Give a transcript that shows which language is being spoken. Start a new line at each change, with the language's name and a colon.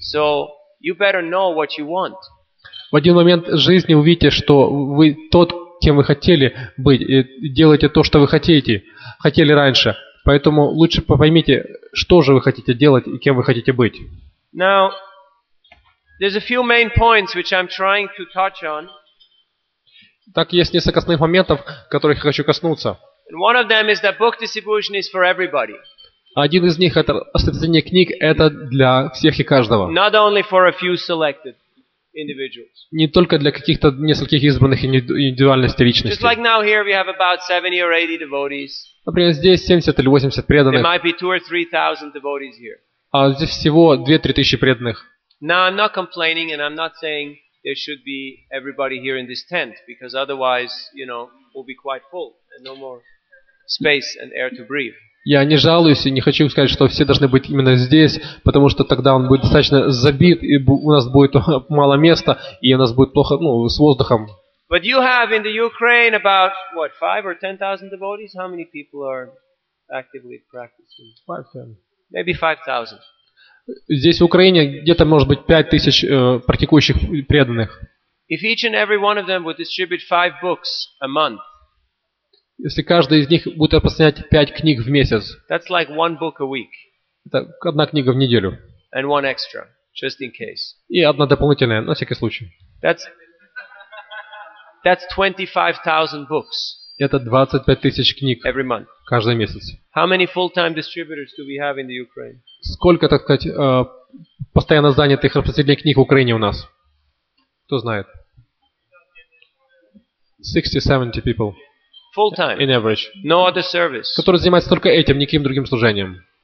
English: So you better know what you want.
Russian: В один момент жизни увидите, что вы тот, кем вы хотели быть, и делаете то, что вы хотели раньше. Поэтому лучше поймите, что же вы хотите делать и кем вы хотите быть.
English: Now, there's a few main points which I'm trying to touch on.
Russian: Так, есть несколько основных моментов, которых я хочу коснуться.
English: And one of them is that book distribution is for everybody.
Russian: Один из них это распространение книг, это для всех и каждого.
English: Not only for a few selected individuals.
Russian: Не только для каких-то нескольких избранных индивидуальностей личностей.
English: Just like now here we have about 70 or 80 devotees.
Russian: Например, здесь 70 или 80 преданных.
English: There might be 2 or 3,000 devotees here.
Russian: А здесь всего 2-3 тысячи преданных.
English: Now I'm not complaining and I'm not saying there should be everybody here in this tent because otherwise, you know, we'll be quite full and no more space and air to breathe.
Russian: Я не жалуюсь и не хочу сказать, что все должны быть именно здесь, потому что тогда он будет достаточно забит, и у нас будет мало места, и у нас будет плохо, ну, с воздухом.
English: But you have in the Ukraine about what, 5 or 10,000 devotees? How many people are actively practicing? 5,000. Maybe 5,000.
Russian: Здесь в Украине где-то может быть 5,000 практикующих преданных.
English: If each and every one of them would distribute 5 books a month.
Russian: Если каждый из них будет распространять 5 книг в месяц.
English: That's like one book a week.
Russian: Это одна книга в неделю.
English: And one extra, just in case.
Russian: И одна дополнительная, на всякий случай.
English: That's 25,000 books.
Russian: Это 25 тысяч книг
English: every month.
Russian: Каждый месяц.
English: How many full-time distributors do we have in the Ukraine?
Russian: Сколько, так сказать, постоянно занятых распространителей книг в Украине у нас? Кто знает?
English: 60-70 people. Full-time, in average. No other service.
Russian: Который занимается только этим, никаким другим служением.